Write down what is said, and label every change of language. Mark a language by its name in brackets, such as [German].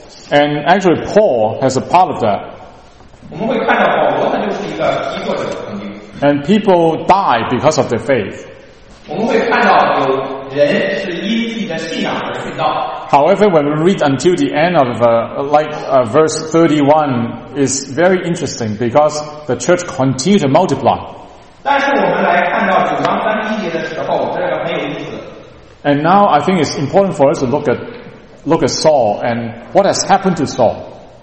[English] And actually Paul has a part of that. [Chinese] 我们会看到保罗他就是一个逼迫者。 [English] And people die because of their faith. [Chinese] 我们会看到有 [English] However, when we read until the end of verse 31, is very interesting because the church continued to multiply. And now I think it's important for us to look at Saul and what has happened to Saul.